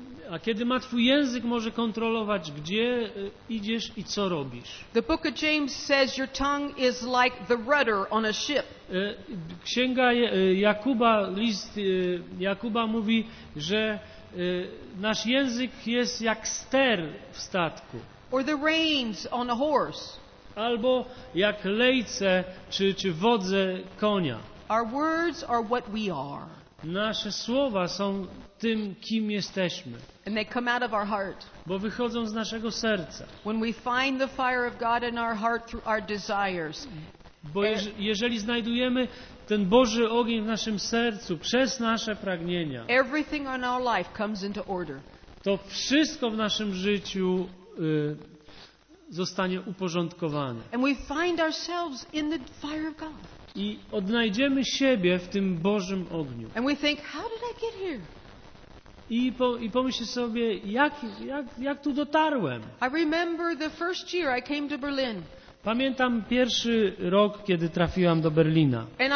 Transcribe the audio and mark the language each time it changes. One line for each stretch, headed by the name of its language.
Polish: A kiedy ma twój język, może kontrolować, gdzie idziesz i co robisz.
English: The book of James says your tongue is like the rudder on a ship.
Polish: Księga Jakuba, list Jakuba mówi, że nasz język jest jak ster w statku.
English: Or the reins on a horse.
Polish: Albo jak lejce czy wodze konia.
English: Our words are what we are.
Polish: Nasze słowa są tym, kim jesteśmy.
English: And they come out of our heart.
Polish: Bo wychodzą z naszego serca.
English: When we find the fire of God in our heart through our desires.
Polish: Bo jeżeli znajdujemy ten Boży ogień w naszym sercu przez nasze pragnienia,
English: everything in our life comes into order.
Polish: To wszystko w naszym życiu zostanie uporządkowane.
English: And we find ourselves in the fire of God.
Polish: I odnajdziemy siebie w tym Bożym ogniu.
English: And we think, how did I get here?
Polish: I pomyśl sobie, jak tu dotarłem.
English: I remember the first year I came to Berlin.
Polish: Pamiętam pierwszy rok, kiedy trafiłam do Berlina.